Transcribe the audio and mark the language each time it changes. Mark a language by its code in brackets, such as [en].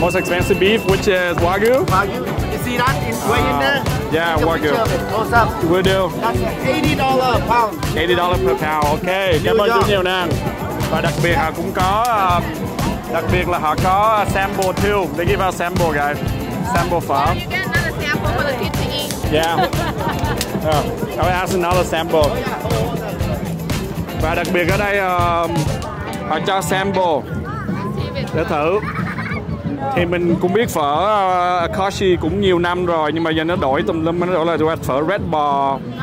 [en] Most expensive beef, which is Wagyu? Wagyu. You see that? It's way in there. Yeah, take Wagyu. Close up. Will do. That's $80 a pound. $80 per pound, okay. [vi] Cảm ơn rất nhiều nàng. Và đặc biệt họ cũng có, đặc biệt là họ có sample too. [en] They give out sample, guys. Sample pho. You get another sample for the kids to eat. Yeah. I will ask another sample. Oh, yeah. [vi] Và đặc biệt ở đây, họ cho sample để thử. Thì mình cũng biết phở Akashi cũng nhiều năm rồi, nhưng mà giờ nó đổi tùm lum, nó đổi là phở Red Bar.